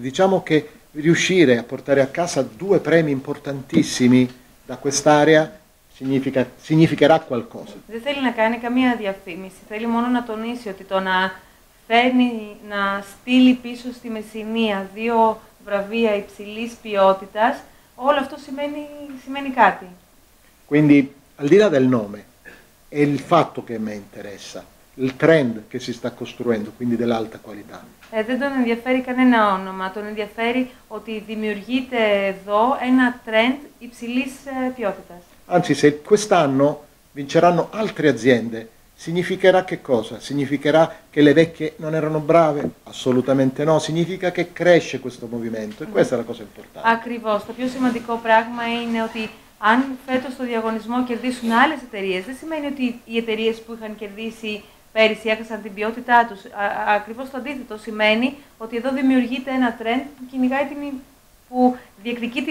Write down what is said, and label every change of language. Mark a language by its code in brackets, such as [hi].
[it] Diciamo che riuscire a portare a casa 2 premi importantissimi da quest'area significherà qualcosa. [el] Δεν θέλει να κάνει καμία διαφήμιση. Θέλει μόνο να τονίσει ότι το να φέρνει, να στείλει πίσω στη Μεσσηνία 2 βραβεία υψηλής ποιότητας, όλο αυτό σημαίνει κάτι. [it] Quindi, al di là del nome, è il fatto che mi interessa, il trend che si sta costruendo, quindi dell'alta qualità. [el] Δεν τον ενδιαφέρει κανένα όνομα, τον ενδιαφέρει ότι δημιουργείται εδώ ένα trend υψηλής ποιότητας. [it] Anzi, se quest'anno vinceranno altre aziende, significherà che cosa? Significherà che le vecchie non erano brave? Assolutamente no, significa che cresce questo movimento e questa è la cosa importante. [el] Ακριβώς, το πιο σημαντικό πράγμα είναι ότι αν φέτος στο διαγωνισμό κερδίσουν άλλες εταιρείες, δεν σημαίνει ότι οι εταιρείες που είχαν κερδίσει πέρυσι έχασαν την ποιότητά τους. Ακριβώς το αντίθετο σημαίνει ότι εδώ δημιουργείται ένα trend που διεκδικεί την υψηλή ποιότητα και αυτό είναι φανταστικό.